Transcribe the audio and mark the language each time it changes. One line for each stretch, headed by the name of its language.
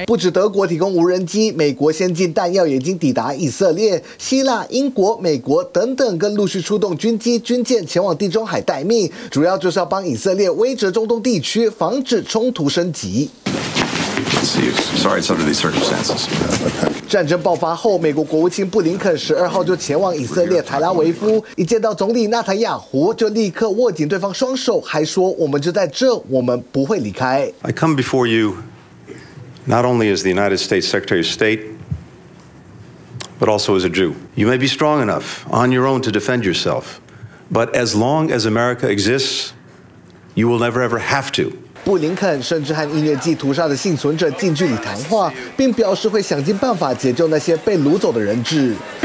Chinese: 不止德国提供无人机，美国先进弹药已经抵达以色列，希腊、英国、美国等等更陆续出动军机、军舰前往地中海待命，主要就是要帮以色列威慑中东地区，防止冲突升级。
English: Sorry, it's under these circumstances.
Chinese: 战争爆发后，美国国务卿布林肯十二号就前往以色列台拉维夫，一见到总理纳坦雅胡，就立刻握紧对方双手，还说：“我们就在这，我们不会离开。”
English: I come before you not only as the United States Secretary of State, but also as a Jew. You may be strong enough on your own to defend yourself, but as long as America exists, you will never ever have to.
Chinese: 布林肯甚至和音乐季屠杀的幸存者近距离谈话，并表示会想尽办法解救那些被掳走的人质。